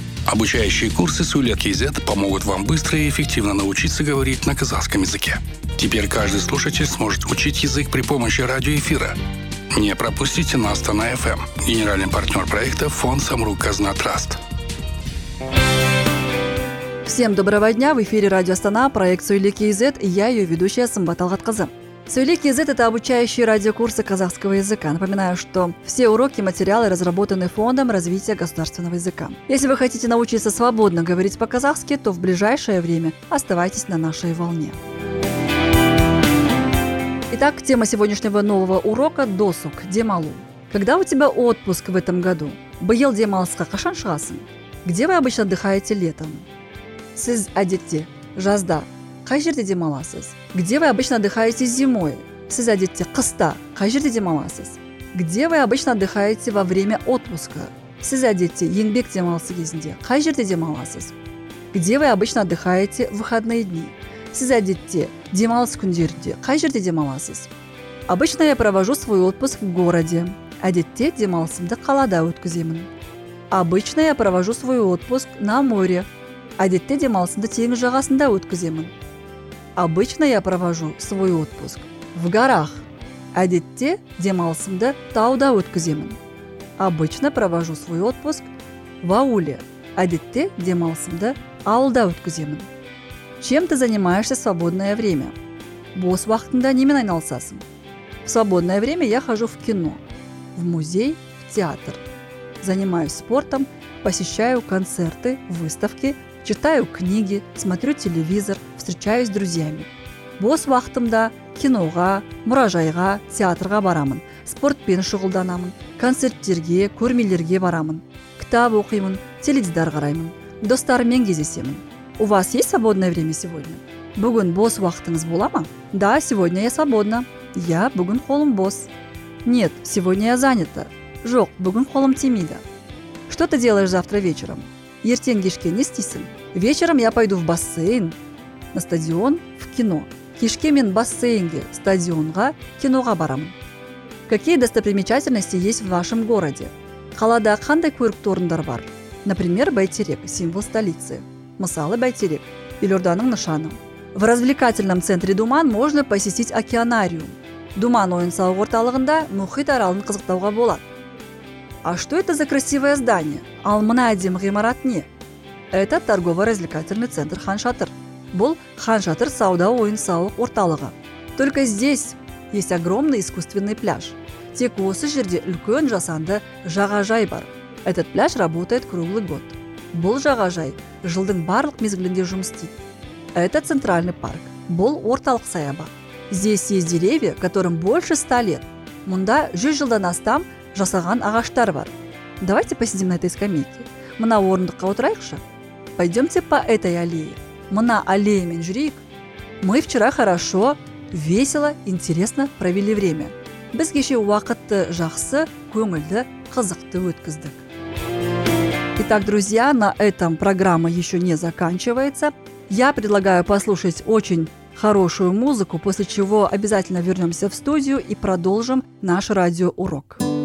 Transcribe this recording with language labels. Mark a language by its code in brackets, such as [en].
[ru] Обучающие курсы Sulet.kz помогут вам быстро и эффективно научиться говорить на казахском языке. Теперь каждый слушатель сможет учить язык при помощи радиоэфира. Не пропустите нас на FM. Генеральный партнер проекта – фонд «Самрук Казна Траст». Всем доброго дня! В эфире радио «Астана», проект Sulet.kz и я, ее ведущая Сымбатал Гаткызы. Sulet.kz – это обучающие радиокурсы казахского языка. Напоминаю, что все уроки и материалы разработаны Фондом развития государственного языка. Если вы хотите научиться свободно говорить по-казахски, то в ближайшее время оставайтесь на нашей волне. Итак, тема сегодняшнего нового урока – досуг, демалу. Когда у тебя отпуск в этом году? [kk] Быйыл демалысқа қашан шығасың? [ru] Где вы обычно отдыхаете летом? [kk] Сіз әдетте жазда қай жерде демаласыз? [ru] Где вы обычно отдыхаете зимой? [kk] Сіз әдетте қыста қай жерде демаласыз? [ru] Где вы обычно отдыхаете во время отпуска? [kk] Сіз әдетте еңбек демалысы кезінде қай жерде демаласыз? [ru] Где вы обычно отдыхаете в выходные дни? [kk] Сіз әдетте демалыс күндерде қай жерде демаласыз? [ru] Обычно я провожу свой отпуск в городе. [kk] Әдетте демалысымды қалада өткіземін. [ru] Обычно я провожу свой отпуск на море. [kk] Әдетте демалысымды теңіз жағасында өткіземін. [ru] Обычно я провожу свой отпуск в горах. [kk] Әдетте демалысымды тауда өткіземін. [ru] Обычно провожу свой отпуск в ауле. [kk] Әдетте демалысымды ауылда өткіземін. [ru] Чем ты занимаешься в свободное время? [kk] Бос уақытында немен айналысасың? [ru] В свободное время я хожу в кино, в музей, в театр. Занимаюсь спортом, посещаю концерты, выставки, читаю книги, смотрю телевизор, встречаюсь с друзьями. [kk] Бос уақытымда киноға, мұражайға, театрға барамын, спортпен шұғылданамын, концерттерге, көрмелерге барамын, кітап оқимын, теледидар қараймын, достарыммен кездесемін. [ru] У вас есть свободное время сегодня? [kk] Бүгін бос уақытыңыз бола ма? [ru] Да, сегодня я свободна. [kk] Я бүгін қолым бос. [ru] Нет, сегодня я занята. [kk] Жоқ, бүгін қолым тимейді. [ru] Что ты делаешь завтра вечером? [kk] Ертең кешке не істейсің? [ru] Вечером я пойду в бассейн, на стадион, в кино. [kk] Кешке мен бассейнге, стадионға, киноға барамын. [ru] Какие достопримечательности есть в вашем городе? [kk] Қалада қандай көрікті орындар бар? [ru] Например, Байтерек, символ столицы. [kk] Масалы Байтерек, Елорданың нышаны. [ru] В развлекательном центре Думан можно посетить океанариум. [kk] Думан ойын-сауық орталығында мұхит аралын қызықтауға болады. [ru] А что это за красивое здание? [kk] Ал мына әдемі ғимарат не? [ru] Это торгово-развлекательный центр Хан Шатыр. [kk] Бұл Хан Шатыр сауда ойын-сауық орталығы. [ru] Только здесь есть огромный искусственный пляж. [kk] Тек осы жерде үлкен жасанды жағажай бар. [ru] Этот пляж работает круглый год. [kk] Бұл жағажай жылдың барлық мезгілінде жұмыс істейді. [ru] Это центральный парк. [kk] Бұл орталық саябақ. [ru] Здесь есть деревья, которым больше 100 лет. [kk] Мұнда 100 жылдан астам жасаған ағаштар бар. [ru] Давайте посидим на этой скамейке. [kk] Мына орындыққа отырайықшы. [ru] Пойдемте по этой аллее. [kk] Мына аллеямен жүрейік. [ru] Мы вчера хорошо, весело, интересно провели время. [kk] Біз кеше уақытты жақсы, көңілді, қызықты өткіздік. [ru] Итак, друзья, на этом программа еще не заканчивается. Я предлагаю послушать очень хорошую музыку, после чего обязательно вернемся в студию и продолжим наш радиоурок.